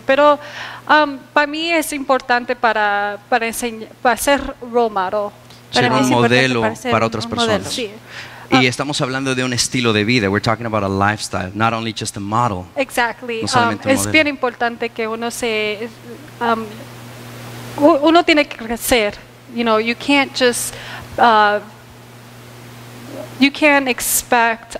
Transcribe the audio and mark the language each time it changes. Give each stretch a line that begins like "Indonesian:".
Spanish: Pero para mí es importante para ser un modelo para otras personas. Sí. Y estamos hablando de un estilo de vida.
English: We're talking about a lifestyle, not only just a model. Exactly.
Spanish: Es bien importante que uno se, uno tiene que crecer.
English: You know, you can't just, you can't expect.